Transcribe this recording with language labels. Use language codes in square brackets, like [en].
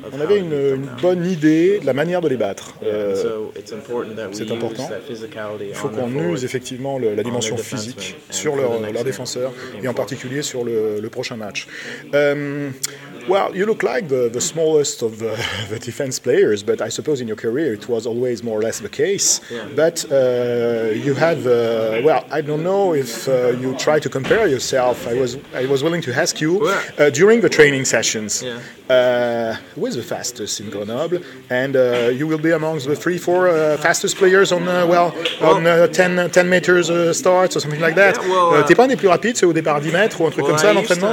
[fr] On avait une bonne idée de la manière de les battre. [en] So it's important that we use that physicality. [fr] Il faut qu'on use effectivement la dimension physique sur leur défenseur et en particulier sur le prochain match. [en] Well, you look like the smallest of the defense players, but I suppose in your career it was always more or less the case. Yeah. But you have, I don't know if you try to compare yourself. I was willing to ask you, during the training sessions, who is the fastest in Grenoble? And you will be amongst the three, four fastest players on 10 meters starts or something like that. [fr] T'es pas un des plus rapides, c'est au départ 10 mètres ou un truc comme ça à l'entraînement?